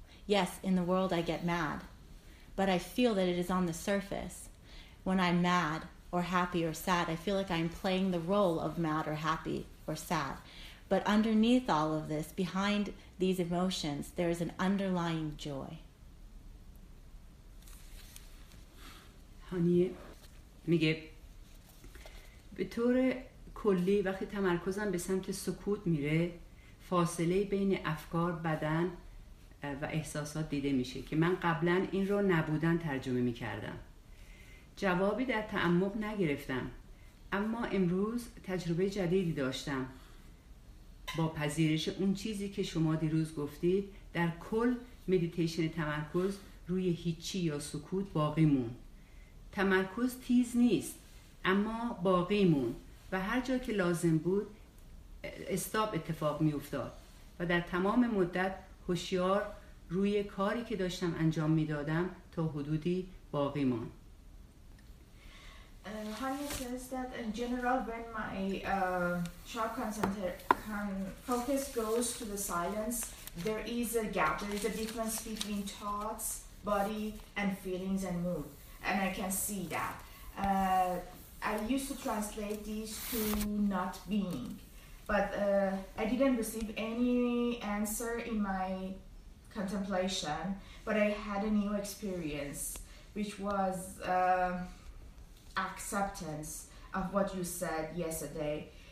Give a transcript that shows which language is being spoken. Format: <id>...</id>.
<en>Yes, in the world I get mad, but I feel that it is on the surface. When I'm mad or happy or sad, I feel like I'm playing the role of mad or happy or sad. But underneath all of this, behind these emotions, there is an underlying joy.</en> <fa>هانیه میگه به طور کلی وقتی تمرکزم به سمت سکوت میره، فاصله بین افکار، بدن و احساسات دیده میشه که من قبلا این رو نبودن ترجمه میکردم. جوابی در تعمق نگرفتم، اما امروز تجربه جدیدی داشتم با پذیرش اون چیزی که شما دیروز گفتید. در کل مدیتیشن تمرکز روی هیچی یا سکوت باقی مون. تمرکز تیز نیست اما باقی مون و هر جا که لازم بود استاپ اتفاق می افتاد و در تمام مدت هوشیار روی کاری که داشتم انجام می دادم تا حدودی باقی مون.</fa> <en>Hanya says that in general when my sharp focus goes to the silence, there is a gap, there is a difference between thoughts, body and feelings and mood. And I can see that. I used to translate these to not being, but I didn't receive any answer in my contemplation, but I had a new experience, which was acceptance of what you said yesterday.</en>